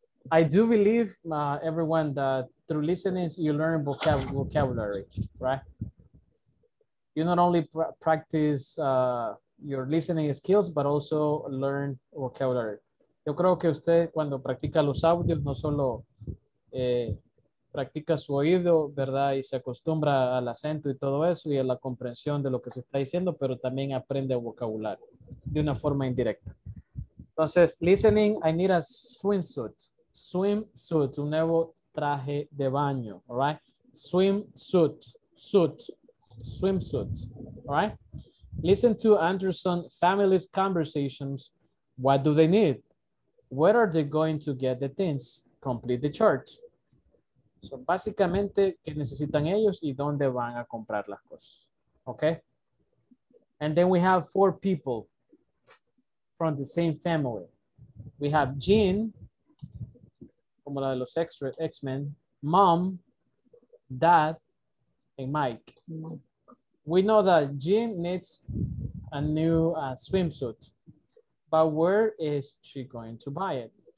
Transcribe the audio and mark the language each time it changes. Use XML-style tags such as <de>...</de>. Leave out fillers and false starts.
<en>I do believe, everyone, that through listening, you learn vocabulary, right? You not only practice your listening skills, but also learn vocabulary.</en> <es>Yo creo que usted, cuando practica los audios, no solo practica su oído, ¿verdad? Y se acostumbra al acento y todo eso, y a la comprensión de lo que se está diciendo, pero también aprende vocabulario de una forma indirecta.</es> <en>Entonces, listening, I need a swimsuit. Swimsuit,</en> <es>un nuevo traje de baño,</es> <en>all right? Swimsuit, all right? Listen to Anderson family's conversations. What do they need? where are they going to get the things? Complete the chart.</en> <es>So, básicamente, ¿qué necesitan ellos y dónde van a comprar las cosas?</es> <en>Okay? And then we have four people from the same family. We have Jean,</en> <es>como la de los X-Men,</es> <en>Mom, Dad, and Mike. We know that Jean needs a new swimsuit, but where is she going to buy it?</en>